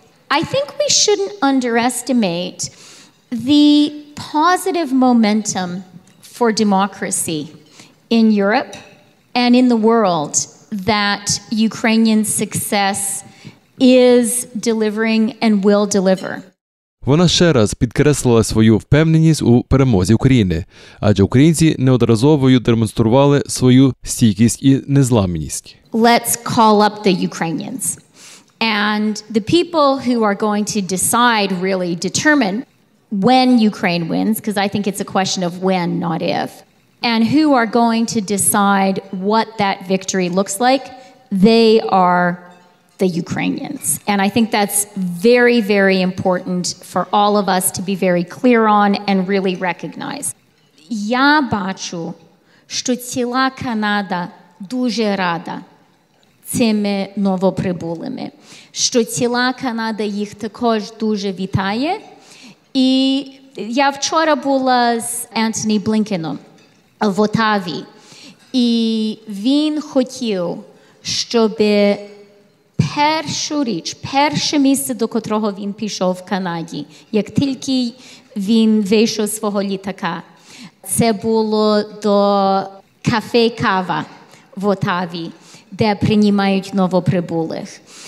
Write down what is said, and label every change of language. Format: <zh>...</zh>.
<en>I think we shouldn't underestimate the positive momentum for democracy in Europe and in the world that Ukrainian success is delivering and will deliver.</en> <uk>Вона ще раз підкреслила свою впевненість у перемозі України, адже українці неодноразово демонстрували свою стійкість і незламність.</uk> <en>Let's call up the Ukrainians. And the people who are going to decide, really determine when Ukraine wins, because I think it's a question of when, not if, and who are going to decide what that victory looks like, they are the Ukrainians. And I think that's very, very important for all of us to be very clear on and really recognize.</en> <uk>Я бачу, що ціла Канада дуже рада цими новоприбулими, що ціла Канада їх також дуже вітає. І я вчора була з Антоні Блінкеном в Отаві, і він хотів, щоб першу річ, перше місце, до котрого він пішов в Канаді, як тільки він вийшов з свого літака, це було до кафе «Кава» в Отаві, де приймають новоприбулих.</uk>